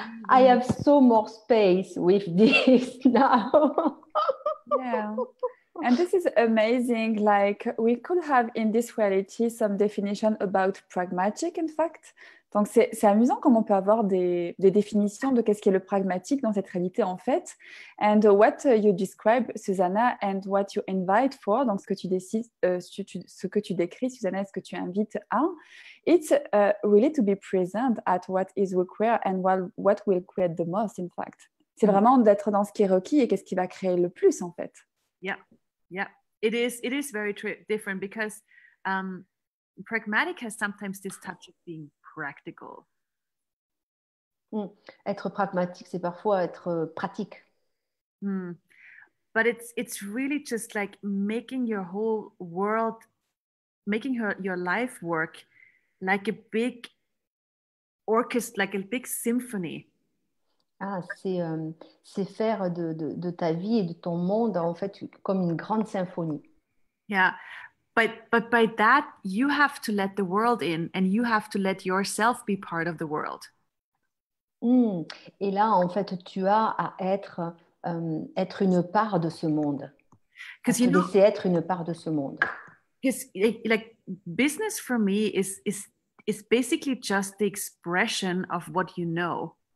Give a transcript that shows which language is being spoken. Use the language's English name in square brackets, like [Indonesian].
[English] I have so more space with this now. Yeah. And this is amazing. Like, we could have in this reality some definition about pragmatic, in fact. [French] Donc, c'est amusant comment on peut avoir des définitions de qu'est-ce qui est le pragmatique dans cette réalité, en fait. [English] And what you describe, Susanna, and what you invite for, [French] donc ce que tu décides, ce que tu décris, Susanna, ce que tu invites à, [English] it's really to be present at what is required and what will create the most, in fact. [French] C'est vraiment d'être dans ce qui est requis et qu'est-ce qui va créer le plus, en fait. [English] Yeah, yeah. It is very different because pragmatic has sometimes this touch of being practical. [French] Être pragmatique, c'est parfois être pratique. [English] But it's really just like making your whole world, making your life work like a big orchestra, like a big symphony. [French] Ah, c'est faire de ta vie et de ton monde en fait comme une grande symphonie. [English] Yeah. But by that, you have to let the world in and you have to let yourself be part of the world. [French] Et là, en fait, tu as à être, être une part de ce monde. Parce que c'est être une part de ce monde. [English] Because, like, business for me is basically just the expression of what you know.